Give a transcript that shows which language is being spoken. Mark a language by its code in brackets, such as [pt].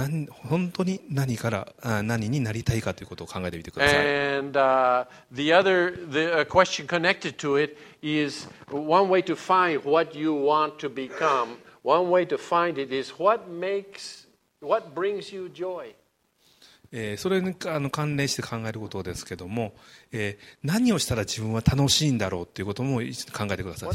[ja] 本当に何になりたいかということを考えてみてください。 [en] And, the question connected to it is one way to find what you want to become. One way to find it is what brings you joy. [ja] それに関連して考えることですけども、何をしたら自分は楽しいんだろうということも一緒に考えてください。